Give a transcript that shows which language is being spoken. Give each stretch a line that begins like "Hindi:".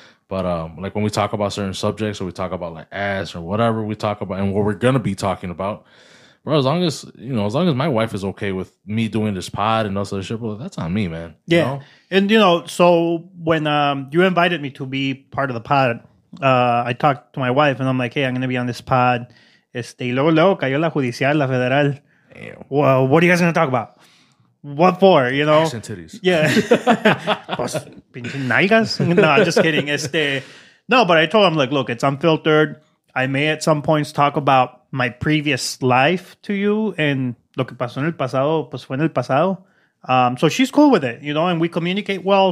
English: But like when we talk about certain subjects or we talk about like ass or whatever we talk about and what we're going to be talking about, bro, as long as my wife is okay with me doing this pod and all that shit, bro, that's on me, man. Yeah. You know? And, you know, so when you invited me to be part of the pod, I talked to my wife and I'm like, hey, I'm going to be on this pod.
Spanish: Y luego, luego cayó la judicial, la federal.
English: Well, what are you guys going to talk about? What for? You know? Ice and titties. Yeah.
Spanish: Pues, pinche nalgas?
English: No, I'm just kidding. No, but I told him, like, look, it's unfiltered. I may at some points talk about my previous life to you. And
Spanish: lo que pasó en el pasado,
English: pues fue en el pasado. So she's cool with it, you know, and we communicate well.